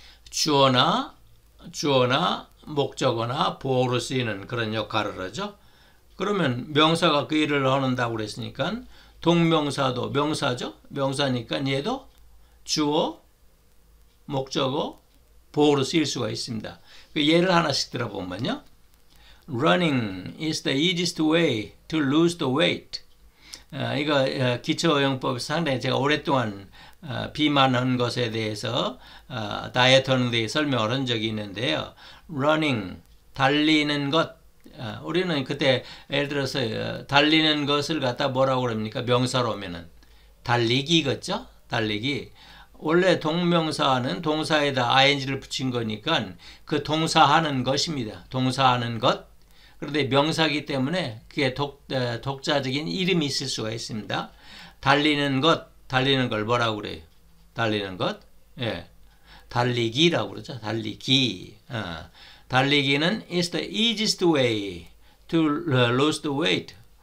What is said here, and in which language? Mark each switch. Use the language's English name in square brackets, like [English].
[Korean] 주어나 목적어나 보어로 쓰이는 그런 역할을 하죠. 그러면 명사가 그 일을 하는다고 그랬으니까 동명사도 명사죠. 명사니까 얘도 주어, 목적어, 보어로 쓰일 수가 있습니다. 그 예를 하나씩 들어보면요. [English] Running is the easiest way to lose the weight. [Korean] 이거 기초영법에서 상당히 제가 오랫동안 비만한 것에 대해서 다이어트하는 데 설명을 한 적이 있는데요. Running, 달리는 것. 우리는 그때 예를 들어서 달리는 것을 갖다 뭐라고 그럽니까? 명사로 오면은 달리기겠죠? 달리기. 원래 동명사는 동사에다 ing를 붙인 거니까 그 동사하는 것입니다. 동사하는 것. 그런데 명사이기 때문에 그게 독자적인 이름이 있을 수가 있습니다. 달리는 것. 달리는 걸 뭐라고 그래요? 달리는 것? 예. 달리기라고 그러죠. 달리기. 달리기는 [English] is the easiest way to lose the weight.